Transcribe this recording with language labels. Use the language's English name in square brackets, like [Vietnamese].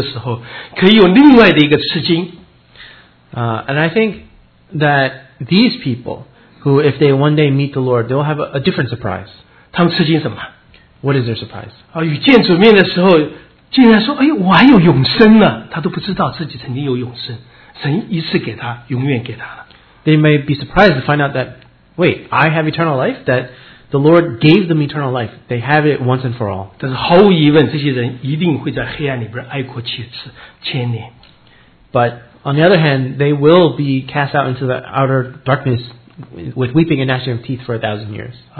[Chinese] 我个人感觉这段圣经所描写的这些人，如果将来他们见主耶稣基督的时候，可以有另外的一个吃惊。 [English] And I think that these people, who if they one day meet the Lord, they'll have a different surprise. [Chinese] 他们吃惊什么？ [English] What is their surprise? [Chinese] 与见主面的时候，竟然说，哎，我还有永生呢，他都不知道自己曾经有永生。神一次给他，永远给他了。 [English] They may be surprised to find out that, wait, I have eternal life? That the Lord gave them eternal life. They have it once and for all. [Chinese] 但是毫无疑问，这些人一定会在黑暗里边哀哭切齿千年。 [English] But on the other hand, they will be cast out into the outer darkness with weeping and gnashing of teeth for 1,000 years.